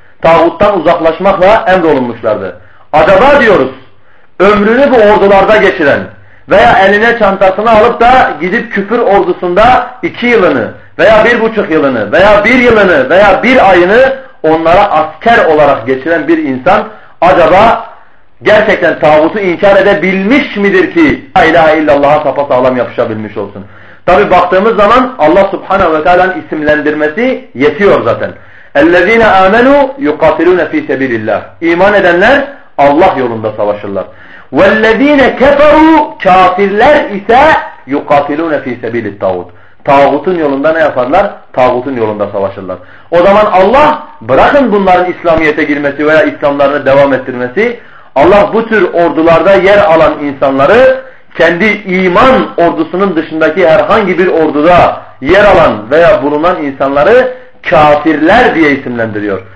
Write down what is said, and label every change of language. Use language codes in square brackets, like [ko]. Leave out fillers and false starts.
[tr] Tağuttan uzaklaşmakla emrolunmuşlardı. Acaba diyoruz, ömrünü bu ordularda geçiren veya eline çantasını alıp da gidip küfür ordusunda 2 yılını veya 1,5 yılını veya 1 yılını veya 1 ayını onlara asker olarak geçiren bir insan acaba gerçekten tağutu inkar edebilmiş midir ki la ilahe illallah'a sapasağlam yapışabilmiş olsun? Tabi baktığımız zaman Allah subhanehu ve teala'nın isimlendirmesi yetiyor zaten. [ar] اَلَّذ۪ينَ اَمَنُوا يُقَاتِلُونَ ف۪ي سَب۪يلِ اللّٰهِ [tr] İman edenler Allah yolunda savaşırlar. [ar] وَالَّذ۪ينَ كَفَرُوا [tr] Kafirler ise [ar] يُقَاتِلُونَ ف۪ي سَب۪يلِ الطَّاغُوتِ [tr] Tağutun yolunda ne yaparlar? Tağutun yolunda savaşırlar. O zaman Allah bırakın bunların İslamiyet'e girmesi veya İslamlarını devam ettirmesi, Allah bu tür ordularda yer alan insanları kendi iman ordusunun dışındaki herhangi bir orduda yer alan veya bulunan insanları kafirler diye isimlendiriyor.